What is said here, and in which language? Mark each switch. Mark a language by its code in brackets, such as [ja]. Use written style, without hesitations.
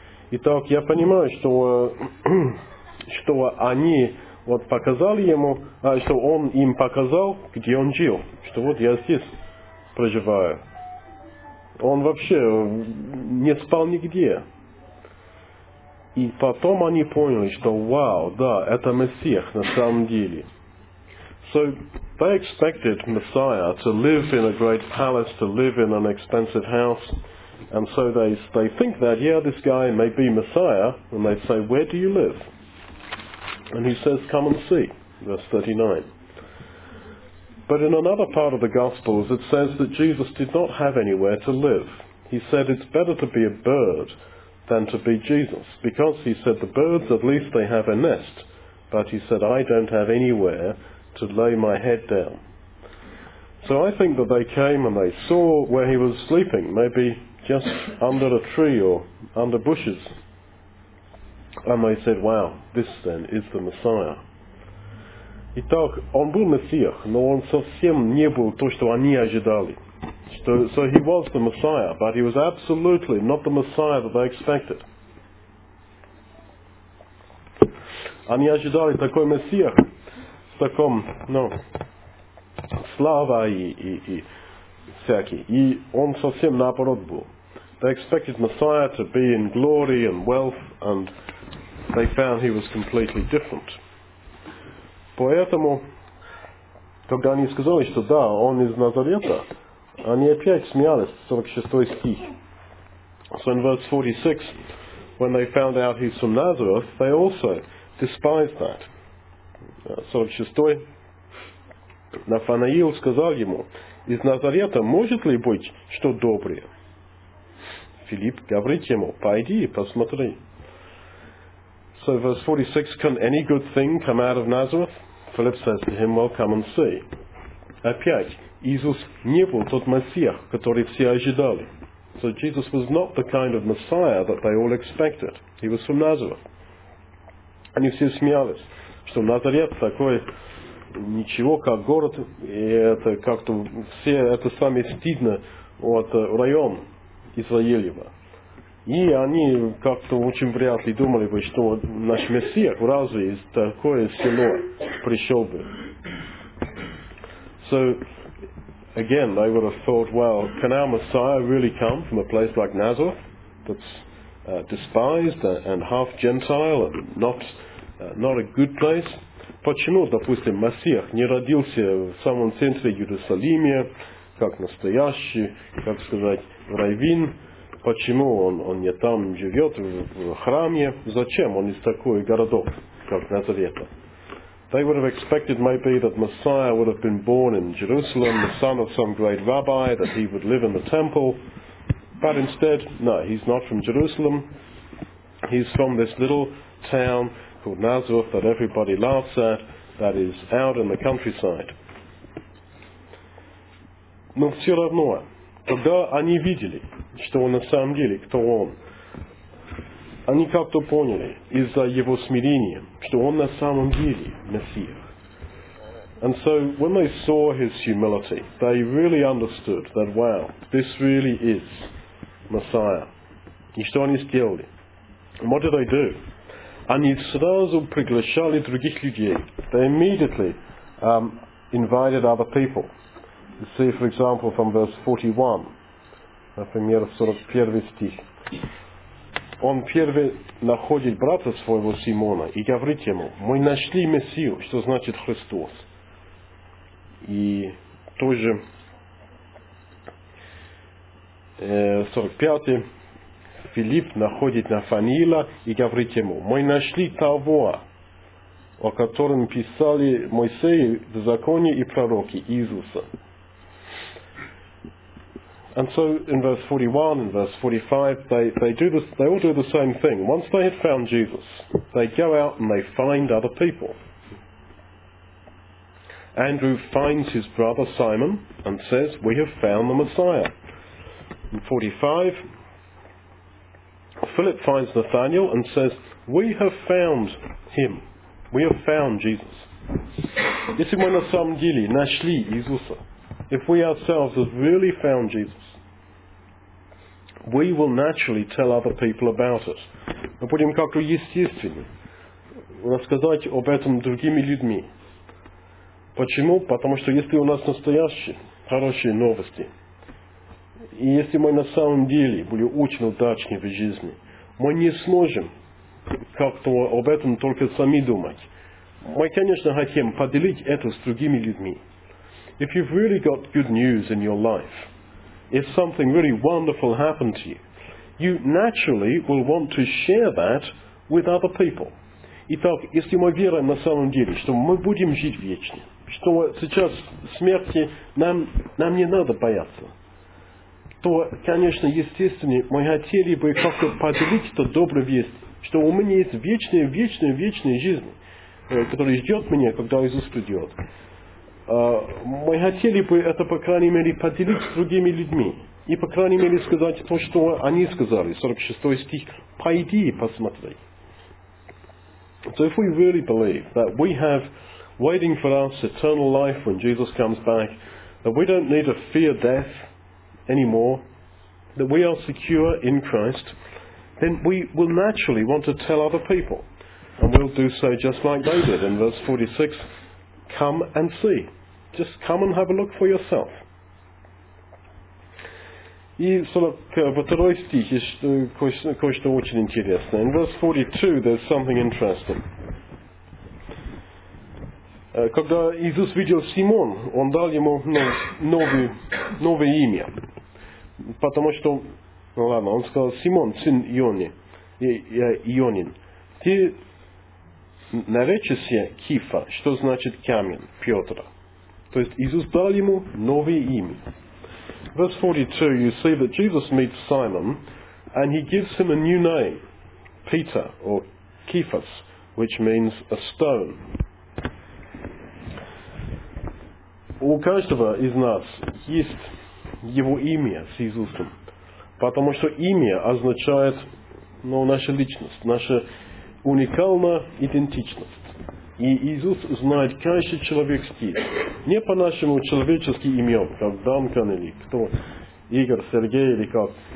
[ru] Итак, я понимаю, что, что они вот показали ему, что он им показал, где он жил. Что вот я здесь проживаю. Он вообще не спал нигде. И потом они поняли, что вау, да, это Мессия на самом деле. [en] So they expected Messiah to live in a great palace, to live in an expensive house, and so they think that, yeah, this guy may be Messiah, and they say, where do you live? And he says, come and see, verse 39. But in another part of the Gospels, it says that Jesus did not have anywhere to live. He said, it's better to be a bird than to be Jesus, because he said, the birds, at least they have a nest, but he said, I don't have anywhere to lay my head down. So I think that they came and they saw where he was sleeping, maybe just under a tree or under bushes. And they said, wow, this then is the Messiah. [ru] Итак, он был Мессия, но он совсем не был то, что они ожидали. [en] So he was the Messiah, but he was absolutely not the Messiah that they expected. [ru] Они ожидали такой Мессия, в таком, ну, слава и всякий. И он совсем наоборот был. [en] They expected Messiah to be in glory and wealth, and they found he was completely different. [ru] Поэтому, когда они сказали, что да, он из Назарета, они опять смеялись, 46 стих. [en] So in verse 46, when they found out he's from Nazareth, they also despised that. 46. [ru] Нафанаил сказал ему, из Назарета может ли быть что доброе? Филипп говорит ему, пойди и посмотри. [en] So verse 46, can any good thing come out of Nazareth? Philip says to him, well, come and see. [ru] Опять, Иисус не был тот Мессия, который все ожидали. [en] So Jesus was not the kind of Messiah that they all expected. He was from Nazareth. [ru] Они все смеялись, что Назарет такой ничего как город, и это как-то все это самое стыдно от район Израилева. И они как-то очень вряд ли думали бы, что наш Мессия сразу из такое село пришел бы. [en] So, again, they would have thought, well, can our Messiah really come from a place like Nazareth, that's despised and half Gentile and not a good place? [ru] Почему, допустим, Мессия не родился в самом центре Иерусалима, как настоящий, как сказать, раввин? Почему он не там живет, в храме? Зачем он из такой городок, как Назарета? [en] They would have expected maybe that Messiah would have been born in Jerusalem, the son of some great rabbi, that he would live in the temple. But instead, no, he's not from Jerusalem. He's from this little town called Nazareth that everybody laughs at, that is out in the countryside. [ru] Но все равно, когда они видели, что он на самом деле, кто он, они как-то поняли из-за его смирения, что он на самом деле Мессия. [en] And so when they saw his humility, they really understood that, wow, this really is Messiah. [ru] И что они сделали? [en] And what did they do? [ru] Они сразу приглашали других людей. [en] They immediately invited other people. You see, for example, from verse 41, [ru] например, 41 стих. Он первый находит брата своего Симона и говорит ему: «Мы нашли Мессию», что значит Христос. И тоже 45-й Филипп находит Нафанила и говорит ему: «Мы нашли того, о котором писали Моисей в законе и пророки, Иисуса». [en] And so in verse 41, in verse 45, they all do the same thing. Once they had found Jesus, they go out and they find other people. Andrew finds his brother Simon and says, "We have found the Messiah." In 45, Philip finds Nathanael and says, "We have found him. We have found Jesus." [ru] Если мы на самом деле нашли Иисуса, [en] if we ourselves have really found Jesus, we will naturally tell other people about it. [ru] Мы будем как-то естественно рассказать об этом другими людьми. Почему? Потому что если у нас настоящие хорошие новости, и если мы на самом деле были очень удачны в жизни, мы не сможем как-то об этом только сами думать. Мы, конечно, хотим поделить это с другими людьми. [en] If you've really got good news in your life, if something really wonderful happened to you, you naturally will want to share that with other people. [ru] Итак, если мы верим на самом деле, что мы будем жить вечно, что сейчас смерти нам не надо бояться, то, конечно, естественно, мы хотели бы как-то поделить эту добрую весть, что у меня есть вечная, вечная, вечная жизнь, которая ждет меня, когда Иисус придет. Мы хотели бы это, по крайней мере, поделить с другими людьми. И, по крайней мере, сказать то, что они сказали. 46 стих. Пойди и посмотри. [en] So if we really believe that we have waiting for us eternal life when Jesus comes back, that we don't need to fear death anymore, that we are secure in Christ, then we will naturally want to tell other people. And we'll do so just like they did in verse 46. Come and see. Just come and have a look for yourself. [ru] И 42 стих кое-что очень интересное. [en] In verse 42 there's something interesting. [ru] Когда Иисус видел Симон, он дал ему новое имя. Потому что, ну ладно, он сказал: «Симон, сын Ионин, ты наречешься Кифа», что значит «камень», Петра. То есть Иисус дал ему новое имя. [en] Verse 42, you see that Jesus meets Simon and he gives him a new name, Peter, or Kephas, which means a stone. [ru] у каждого из нас есть его имя с Иисусом, потому что имя означает, ну, наша личность, наша уникальная идентичность. И Иисус знает каждый человеческий, не по нашему человеческим именам, как Данкан или кто, Игорь, Сергей или как.